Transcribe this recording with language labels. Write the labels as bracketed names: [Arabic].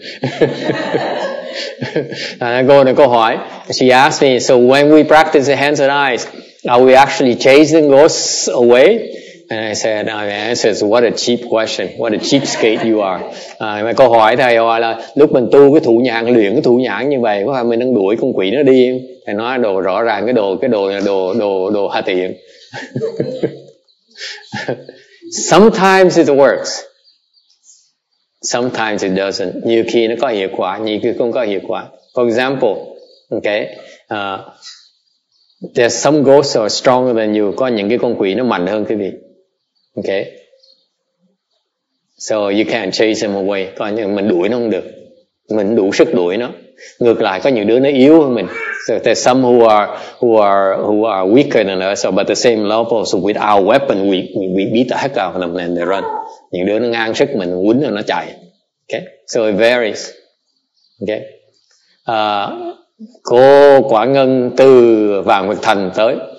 [English] She asked me, so when we practice the hands and eyes, are we actually chasing ghosts away? And I said, my answer is, what a cheap question. What a cheapskate you are. [Vietnamese] Câu hỏi thầy hỏi là, lúc mình tu cái thủ nhãn, luyện cái thủ nhãn như vậy, có phải mình đang đuổi con quỷ nó đi? Thầy nói đồ rõ ràng, cái đồ hạ tiện. [English] Sometimes it works. Sometimes it doesn't. [Vietnamese] Nhiều khi nó có hiệu quả, nhiều khi không có hiệu quả. [English] For example, okay, there's some ghosts are stronger than you. [Vietnamese] Có những cái con quỷ nó mạnh hơn cái gì. Okay. [English] So you can't chase them away. [Vietnamese] Có những mình đuổi nó không được. Mình đủ sức đuổi nó. Ngược lại có những đứa nó yếu hơn mình. [English] So there's some who are weaker than us, but the same level. So with our weapon, we beat the heck out of them and they run. [Vietnamese] Những đứa nó ngang sức mình, quấn rồi nó chạy. [English] Okay. So it varies. Okay. [Vietnamese] Cô Quả Ngân từ Vạn Vật Thành tới.